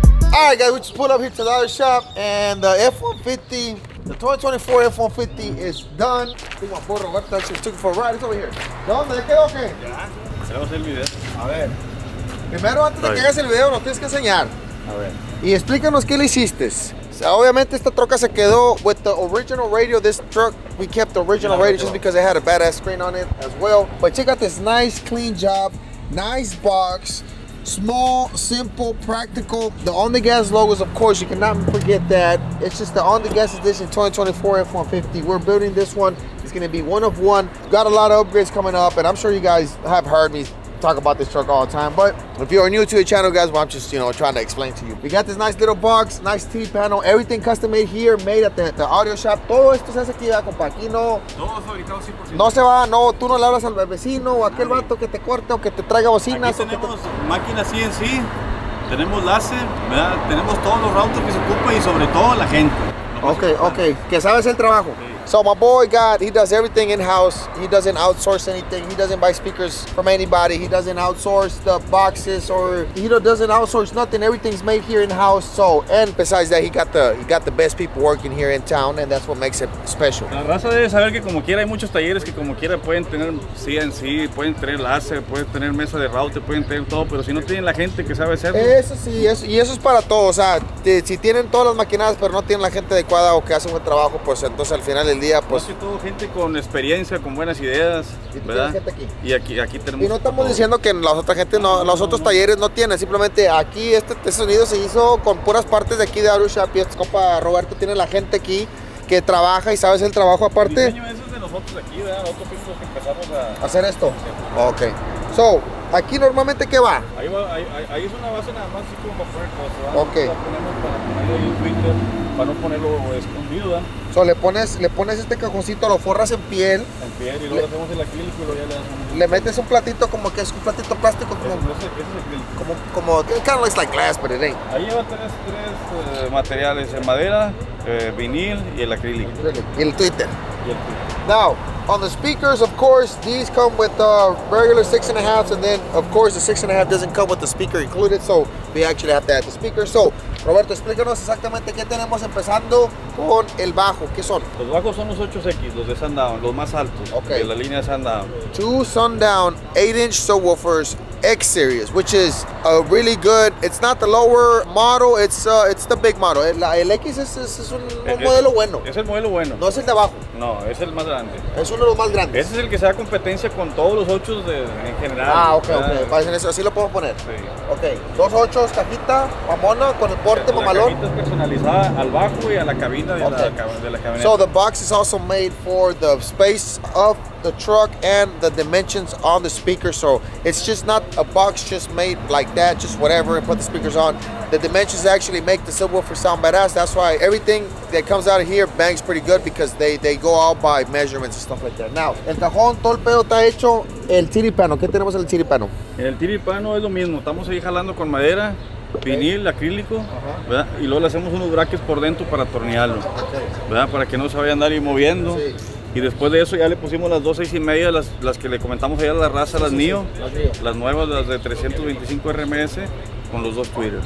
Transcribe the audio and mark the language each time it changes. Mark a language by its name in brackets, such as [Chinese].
[English] All right, guys, we just pulled up here to the other shop, and the F-150, the 2024 F-150 is done. I think my boy Roberto actually took it for a ride. It's over here. [Spanish] ¿Dónde? ¿Qué? Ok. Ya. Hacemos el video. A ver. Primero, antes de que hagas el video, nos tienes que enseñar. A ver. Y explícanos qué le hiciste. Obviamente esta troca se quedó [English] with the original radio. This truck, we kept the original radio just because it had a badass screen on it as well. But check out this nice, clean job, nice box. Small, simple, practical. The On The Gas logo is, of course, you cannot forget that. It's just the On The Gas edition 2024 F-150. We're building this one. It's gonna be one of one. Got a lot of upgrades coming up, and I'm sure you guys have heard me talk about this truck all the time. But if you are new to the channel, guys, well, I'm just, you know, trying to explain to you. We got this nice little box, nice T panel, everything custom made here, made at the audio shop. [Spanish] Todo esto se hace aquí, ya, compa. Aquí no. Todo fabricado 100%. No se va, no. Tú no le hablas al vecino o aquel vato que te corte o que te traiga bocinas. Aquí tenemos máquina CNC, tenemos láser, ¿verdad? Tenemos todos los routers que se ocupan y sobre todo la gente. Okay. Que sabes el trabajo. Sí. [English] So my boy got, he does everything in-house. He doesn't outsource anything. He doesn't buy speakers from anybody. He doesn't outsource the boxes or he doesn't outsource nothing. Everything's made here in-house. So, and besides that, he got the best people working here in town and that's what makes it special. [Spanish] La raza debe saber que como quiera hay muchos talleres que como quiera pueden tener CNC, pueden tener láser, pueden tener mesa de router, pueden tener todo, pero si no tienen la gente que sabe hacerlo. Eso sí, eso, y eso es para todos. O sea, si tienen todas las maquinadas pero no tienen la gente adecuada o que hace un buen trabajo, pues entonces al final el día, pues. Casi todo gente con experiencia, con buenas ideas. Y ¿verdad? Gente aquí. Y aquí tenemos. Y no estamos todo. Diciendo que las otras gente no, los otros talleres no tienen. Simplemente aquí este sonido se hizo con puras partes de aquí de Arushap. Y este compa Roberto tiene la gente aquí que trabaja y sabe hacer el trabajo aparte. El diseño es de nosotros aquí, ¿verdad? Nosotros fuimos los que empezamos a hacer esto. Ok. So, aquí normalmente, ¿qué va? Ahí va, ahí es una base nada más, así como para poner cosas, ¿verdad? Ok. La ponemos para ponerlo ahí en Twitter, para no ponerlo escondido, ¿verdad? So, le pones este cajoncito, lo forras en piel. En piel, y luego le hacemos el acrílico y luego ya le das un... Le metes un platito, como que es un platito plástico, como... Ese es acrílico. [English] Como, kind of looks like glass, but it ain't. [Spanish] Ahí lleva tres materiales, en madera, vinil y el acrílico. Y el Twitter. [English] Now, on the speakers, of course, these come with regular 6.5s, and then, of course, the 6.5 doesn't come with the speaker included, so we actually have to add the speaker. [Spanish] So, Roberto, explícanos exactamente qué tenemos empezando con el bajo. ¿Qué son? Los bajos son los 8X, los de Sundown, los más altos de la línea de Sundown. [English] Two Sundown 8-inch subwoofers X series, which is a really good. It's not the lower model, it's the big model. [Spanish] El X es un modelo bueno. Es el modelo bueno. No es el de abajo. No, es el más grande. Es uno de los más grandes. Ese es el que se da competencia con todos los 8 de en general. Ah, okay. Para eso, así lo puedo poner. Sí. Okay. Dos 8 cajita mamona con el porte mamalón. La cajita es personalizada al bajo y a la cabina de la camioneta. [English] So the box is also made for the space of the truck and the dimensions on the speaker, so it's just not a box just made like that, just whatever, and put the speakers on. The dimensions actually make the subwoofer sound badass. That's why everything that comes out of here bangs pretty good, because they go out by measurements and stuff like that. [Spanish] Now, el cajón, todo el pedo está hecho, el tiripano. ¿Qué tenemos en el tiripano? El tiripano es lo mismo, estamos ahí jalando con madera, vinil, acrílico, ¿verdad? Y luego le hacemos unos brackets por dentro para tornearlo, ¿verdad? Para que no se vaya a andar ahí moviendo. Y después de eso ya le pusimos las 2 6.5, las que le comentamos allá a la raza, las NIO, las nuevas, las de 325 RMS, con los dos Twitter.